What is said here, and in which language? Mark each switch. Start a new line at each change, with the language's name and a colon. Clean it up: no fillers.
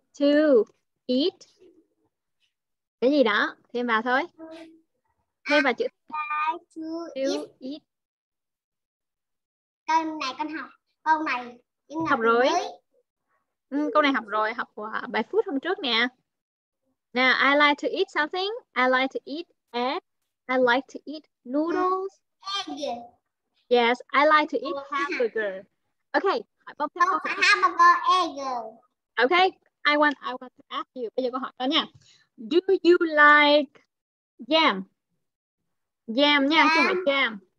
English: to eat.
Vietnamese: Cái gì đó, thêm vào thôi. Thêm vào chữ
English: I like to eat.
Vietnamese: Câu này con học. Câu này em học rồi. Câu này học rồi, học của bài phút hôm trước nè.
English: Now, I like to eat something. I like to eat egg. I like to eat noodles. Egg. Yes, I like to eat hamburger. Okay. Hamburger, egg. Okay. I want to ask you.
Vietnamese: Bây giờ câu hỏi đó nha.
English: Do you like jam?
Vietnamese: Jam nha, chứ không phải jam.